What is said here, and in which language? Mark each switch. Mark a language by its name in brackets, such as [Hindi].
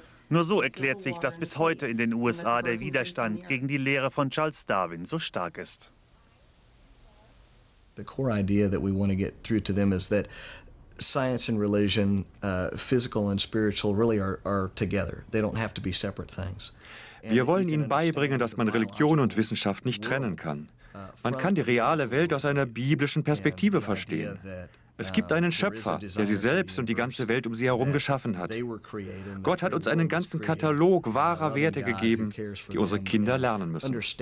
[German] Nur so erklärt sich, dass bis heute in den USA der Widerstand gegen die Lehre von Charles Darwin so stark ist. [English] The core idea that we want to get through to them is that science and religion, physical and spiritual, really are together. They don't have to be separate things. [German] Wir wollen ihnen beibringen, dass man Religion und Wissenschaft nicht trennen kann. Man kann die reale Welt aus einer biblischen Perspektive verstehen. Es gibt einen Schöpfer, der sie selbst und die ganze Welt um sie herum geschaffen hat. Gott hat uns einen ganzen Katalog wahrer Werte gegeben, die unsere Kinder lernen müssen.